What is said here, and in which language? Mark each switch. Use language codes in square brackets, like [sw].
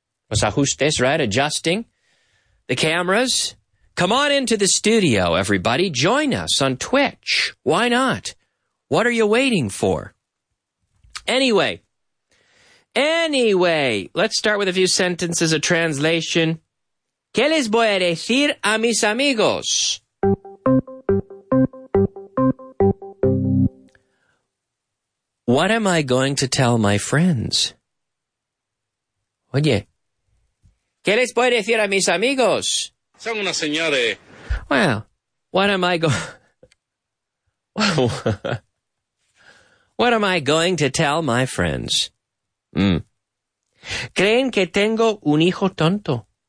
[es] Los ajustes, [en] right? Adjusting the cameras. Come on into the studio, everybody. Join us on Twitch. Why not? What are you waiting for? Anyway, let's start with a few sentences of translation. [es] ¿Qué les voy a decir a mis amigos? [en] What am I going to tell my friends? [es] Oye, ¿qué les voy a decir a mis amigos? Son unos señores. [en] Well, what am I going to tell my friends? [es] ¿Creen que tengo un hijo tonto?